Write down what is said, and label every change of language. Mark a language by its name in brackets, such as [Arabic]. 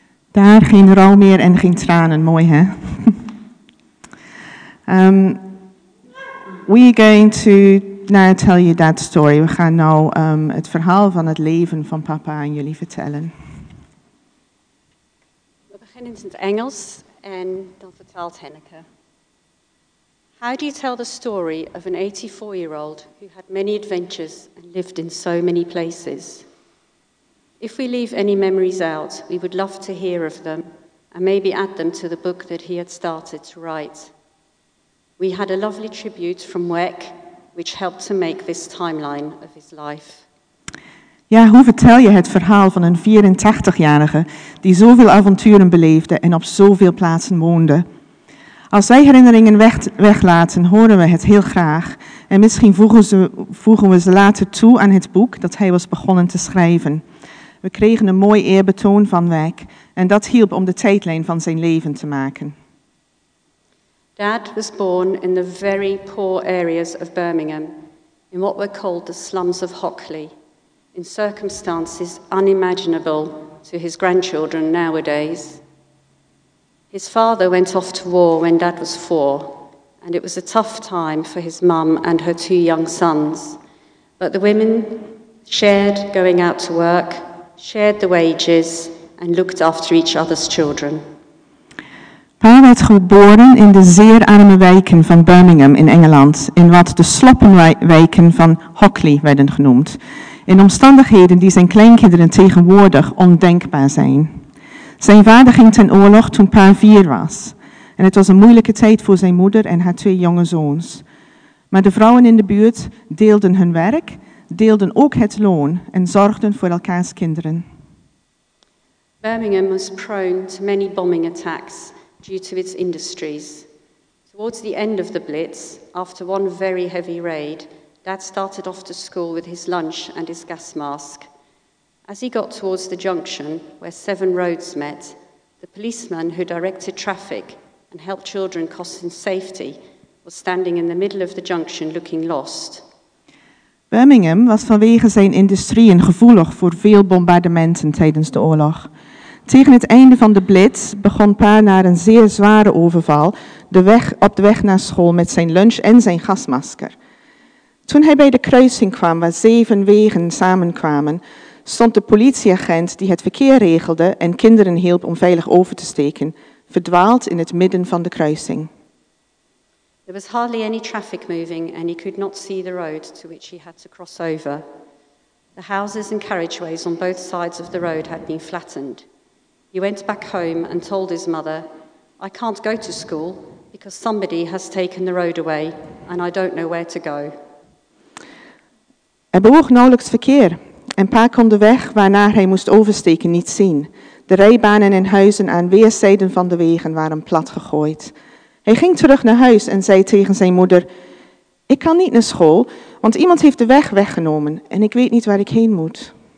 [Dutch] Daar geen rouw meer en geen tranen. Mooi, hè? [English] We're going to now tell you Dad's story. [Dutch] We gaan nou het verhaal van het leven van papa aan jullie vertellen. We beginnen in het Engels en dan vertelt Henneke. [English] How do you tell the story of an 84-year-old who had many adventures and lived in so many places? If we leave any memories out, we would love to hear of them and maybe add them to the book that he had started to write. We had a lovely tribute from WEC, which helped to make this timeline of his life. [Dutch] Ja, hoe vertel je het verhaal van een 84-jarige die zoveel avonturen beleefde en op zoveel plaatsen woonde? Als wij herinneringen weglaten, horen we het heel graag. En misschien voegen we ze later toe aan het boek dat hij was begonnen te schrijven. We kregen een mooi eerbetoon van WEC en dat hielp om de tijdlijn van zijn leven te maken. [English] Dad was born in the very poor areas of Birmingham, in what were called the slums of Hockley, in circumstances unimaginable to his grandchildren nowadays. His father went off to war when Dad was 4, and it was a tough time for his mum and her 2 young sons. But the women shared going out to work, shared the wages, and looked after each other's children. [Dutch] Pa werd geboren in de zeer arme wijken van Birmingham in Engeland, in wat de sloppenwijken van Hockley werden genoemd, in omstandigheden die zijn kleinkinderen tegenwoordig ondenkbaar zijn. Zijn vader ging ten oorlog toen pa 4 was, en het was een moeilijke tijd voor zijn moeder en haar 2 jonge zoons. Maar de vrouwen in de buurt deelden hun werk, deelden ook het loon en zorgden voor elkaars kinderen. [English] Birmingham was prone to many bombing attacks due to its industries. Towards the end of the Blitz, after one very heavy raid, Dad started off to school with his lunch and his gas mask. As he got towards the junction where 7 roads met, the policeman who directed traffic and helped children cross in safety was standing in the middle of the junction looking lost. [Dutch] Birmingham was vanwege zijn industrieën gevoelig voor veel bombardementen tijdens de oorlog. Tegen het einde van de Blitz begon pa na een zeer zware overval op de weg naar school met zijn lunch en zijn gasmasker. Toen hij bij de kruising kwam waar 7 wegen samenkwamen, stond de politieagent die het verkeer regelde en kinderen hielp om veilig over te steken, verdwaald in het midden van de kruising. [English] There was hardly any traffic moving and he could not see the road to which he had to cross over. The houses and carriageways on both sides of the road had been flattened. He went back home and told his mother, "I can't go to school because somebody has taken the road away and I don't know where to go." [Dutch] Er bewoog nauwelijks verkeer en pa kon de weg waarnaar hij moest oversteken niet zien. De rijbanen en huizen aan weerszijden van de wegen waren plat gegooid. Hij ging terug naar huis en zei tegen zijn moeder, "Ik kan niet naar school, want iemand heeft de weg weggenomen en ik weet niet waar ik heen moet."